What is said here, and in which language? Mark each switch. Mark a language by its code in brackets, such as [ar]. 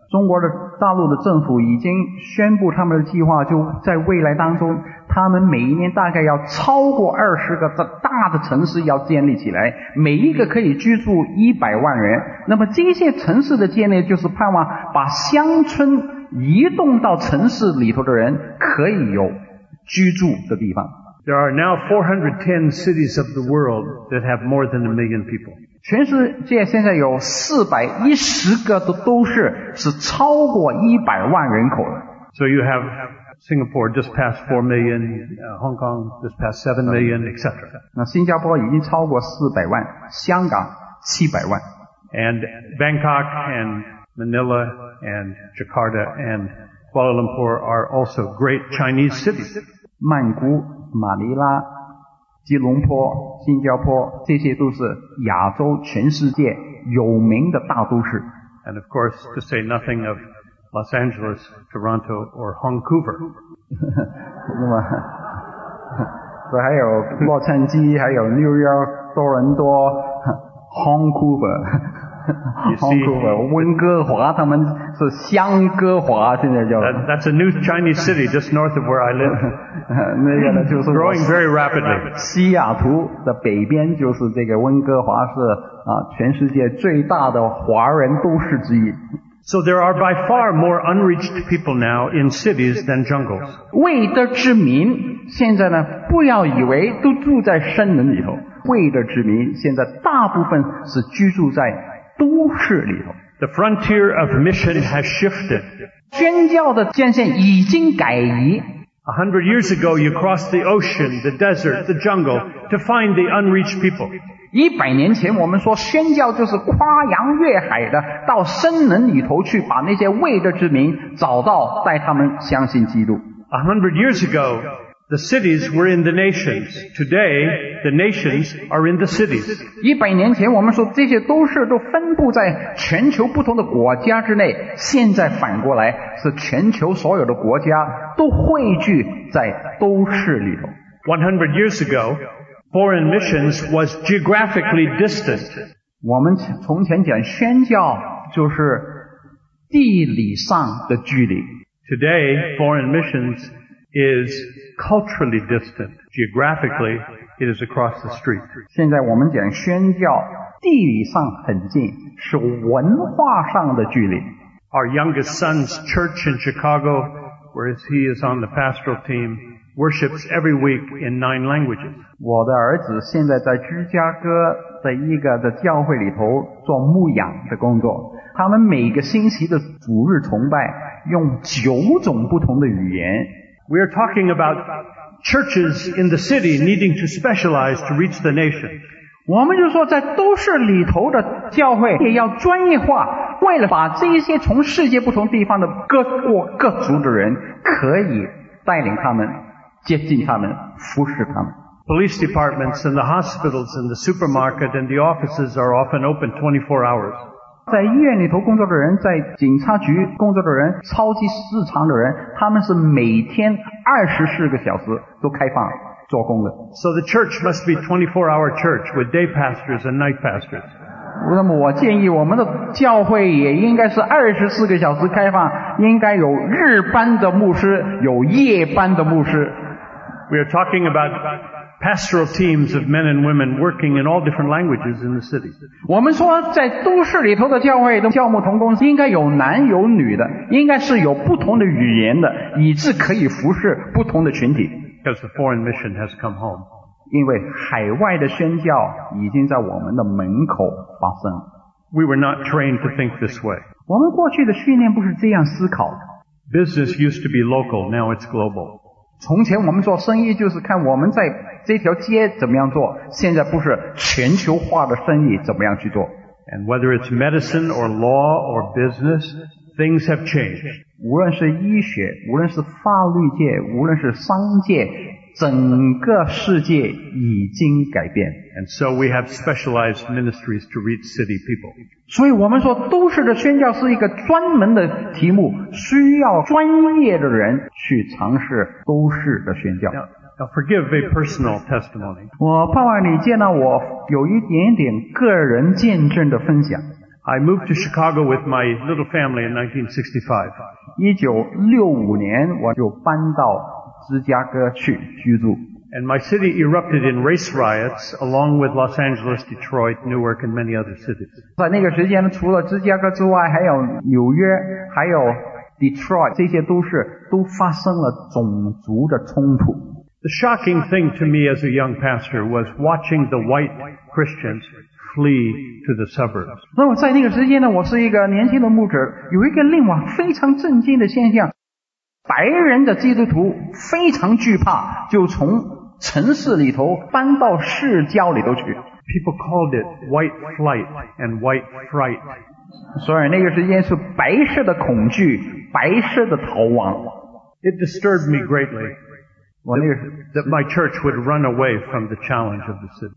[zh] 中国的大陆的政府已经宣布他们的计划，就在未来当中，他们每一年大概要超过20个的大的城市要建立起来，每一个可以居住100万人。那么这些城市的建立就是盼望把乡村移动到城市里头的人可以有居住的地方。 [en] There are now 410 cities of the world that have more than 1 million people. [zh] 全世界现在有410个都是超过100万人口的。 [en] So you have Singapore just passed 4 million, Hong Kong just passed 7 million, etc. [zh] 那新加坡已经超过400万，香港700万。 [en] And Bangkok and Manila and Jakarta and Kuala Lumpur are also great Chinese cities. [zh] 曼谷马尼拉吉隆坡新加坡这些都是亚洲全世界有名的大都市。 [en] And of course, to say nothing of Los Angeles, Toronto, or Vancouver. [zh] 那么这还有洛杉矶还有 New York, 多伦多 Vancouver, Vancouver, 温哥华他们是香哥华现在叫。 [en] That's a new Chinese city just north of where I live. [zh] 那个呢就是 [en] growing very rapidly. [zh] 西雅图的北边就是这个温哥华是全世界最大的华人都市之一。 [en] So there are by far more unreached people now in cities than jungles. [zh] 未得之民现在呢不要以为都住在森林里头。未得之民现在大部分是居住在都市里头。 [en] The frontier of mission has shifted. [zh] 宣教的界限已经改移。 [en] 100 years ago, you crossed the ocean, the desert, the jungle to find the unreached people. [zh] 100年前，我们说宣教就是跨洋越海的，到森林里头去，把那些未得之民找到，带他们相信基督。 [en] 100 years ago, the cities were in the nations. Today, the nations are in the cities. [zh] 100年前，我们说这些都市都分布在全球不同的国家之内，现在反过来是全球所有的国家都汇聚在都市里头。 [en] 100 years ago. Foreign missions was geographically distant. [zh] 我们从前讲宣教就是地理上的距离。 [en] Today, foreign missions is culturally distant. Geographically, it is across the street. [zh] 现在我们讲宣教地理上很近，是文化上的距离。 [en] Our youngest son's church in Chicago, where he is on the pastoral team,worships every week in 9 languages. [zh] 我的儿子现在在芝加哥的一个的教会里头做牧养的工作，他们每个星期的主日崇拜用9种不同的语言。 [en] We are talking about churches in the city needing to specialize to reach the nation. [zh] 我们就说在都市里头的教会也要专业化，为了把这些从世界不同地方的各国各族的人可以带领他们接近他们，服侍他们。 [en] Police departments and the hospitals and the supermarket and the offices are often open 24 hours. [zh] 在医院里头工作的人，在警察局工作的人，超级市场的人，他们是每天24个小时都开放做工的。 [en] So the church must be 24-hour church with day pastors and night pastors. [zh] 那么我建议我们的教会也应该是24个小时开放，应该有日班的牧师，有夜班的牧师。 [en] We are talking about pastoral teams of men and women working in all different languages in the city. [zh] 我们说在都市里头的教会的教牧同工应该有男有女的，应该是有不同的语言的，以致可以服侍不同的群体。 [en] Because the foreign mission has come home. [zh] 因为海外的宣教已经在我们的门口发生了。 [en] We were not trained to think this way. [zh] 我们过去的训练不是这样思考的。 [en] Business used to be local, now it's global. [zh] 从前我们做生意就是看我们在这条街怎么样做，现在不是全球化的生意怎么样去做。 [en] And whether it's medicine or law or business, things have changed. [zh] 无论是医学，无论是法律界，无论是商界，整个世界已经改变。 [en] And so we have specialized ministries to reach city people. [zh] 所以我们说都市的宣教是一个专门的题目，需要专业的人去尝试都市的宣教。 [en] Now, Now forgive a personal testimony. [zh] 我盼望你见到我有一点点个人见证的分享。 [en] I moved to Chicago with my little family in 1965. [zh] 1965年我就搬到芝加哥去居住。 [en] And my city erupted in race riots along with Los Angeles, Detroit, Newark, and many other cities. [zh] 在那个时间除了芝加哥之外还有纽约还有 Detroit, 这些都是都发生了种族的冲突。 [en] The shocking thing to me as a young pastor was watching the white Christians flee to the suburbs. [zh] 那么在那个时间呢我是一个年轻的牧者有一个令我非常震惊的现象。白人的基督徒非常惧怕就从城市里头搬到市郊里头去。 [en] People called it white flight and white fright. [zh] 所以那个时间是白色的恐惧白色的逃亡。 [en] It disturbed me greatly. That my church would run away from the challenge of the city.